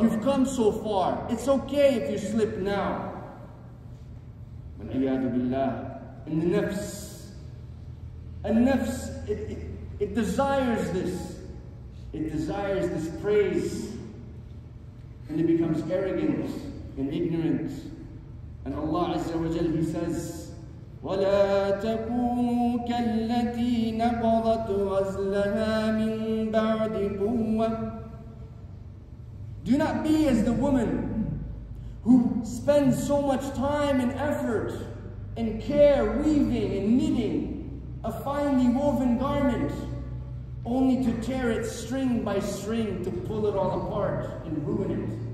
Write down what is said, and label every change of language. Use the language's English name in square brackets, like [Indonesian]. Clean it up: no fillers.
[English] You've come so far. It's okay if you slip now. [Arabic] Wal'iyadu billah. [English] And the nafs. And nafs, it desires this. It desires this praise. And it becomes arrogant and ignorant. And Allah Azza wa Jal, He says, [Arabic] وَلَا تَكُونُوا كَالَّتِي نَقَضَتْ غَزْلَهَا مِن بَعْدِ قُوَّةٍ. [English] Do not be as the woman who spends so much time and effort and care weaving and knitting a finely woven garment, only to tear it string by string, to pull it all apart and ruin it.